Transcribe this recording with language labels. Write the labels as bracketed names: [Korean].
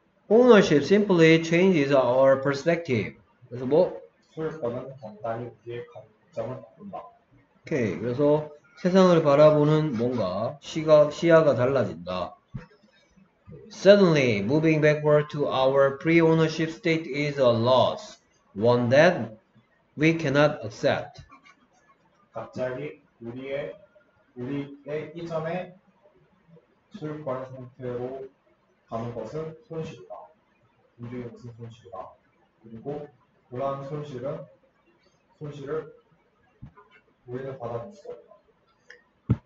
[English] 오너십 simply changes our perspective. [Korean] 그래서 뭐? 소유권은 간단히 우리의 관점을 바꾼다. 오케이, 그래서 세상을 바라보는 뭔가 시야가 달라진다. [English] Suddenly, moving backward to our pre-ownership state is a loss, one that we cannot accept. [Korean] 갑자기 우리의 이전의 소유권 상태로 가는 것은 손실이다. 굉장히 무슨 손실이다. 그리고 그러한 손실을 우리는 받아들일 수 없다.